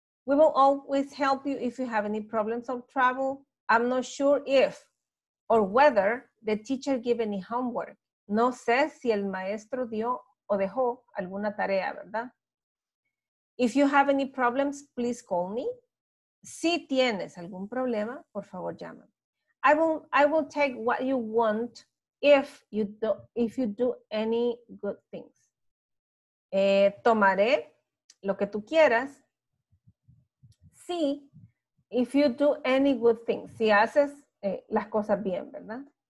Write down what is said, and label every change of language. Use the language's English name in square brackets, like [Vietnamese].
[English] We will always help you if you have any problems or trouble. I'm not sure if or whether the teacher gave any homework. [Spanish] No sé si el maestro dio o dejó alguna tarea, ¿verdad? [English] If you have any problems, please call me. [Spanish] Si tienes algún problema, por favor, llámame. [English] I will take what you want if you do any good things. [Spanish] Tomaré lo que tú quieras. Si [English] if you do any good things, [Spanish] si haces las cosas bien, ¿verdad?